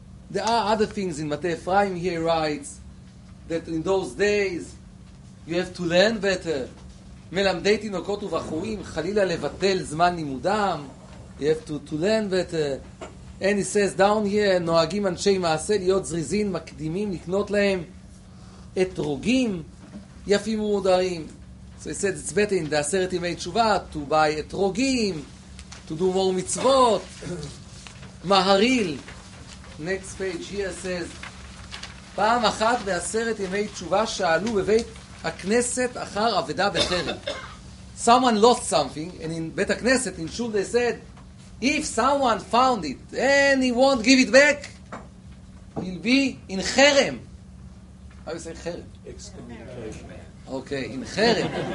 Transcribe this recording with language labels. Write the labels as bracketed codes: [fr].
[en] There are other things in Matthew Ephraim here writes, that in those days you have to learn better. [he] מלמדי תינוקות ובחורים, חלילה לבטל זמן לימודם, [en] you have to learn better. And he says down here, [he] נוהגים אנשי מעשה להיות זריזים, מקדימים לקנות להם אתרוגים יפים ומודרים. [en] So he said, it's better in the 10 ימי תשובה, to buy אתרוגים, to do more מצוות. [he] מהריל, [en] next page here says, [he] פעם אחת בעשרת ימי תשובה שאלו בבית הכנסת אחר עבדה בחרם. [en] Someone lost something, and in בית הכנסת, in shul, they said, if someone found it, and he won't give it back, He'll be in cherem. How do you say cherem? Excommunication. Okay, in cherem.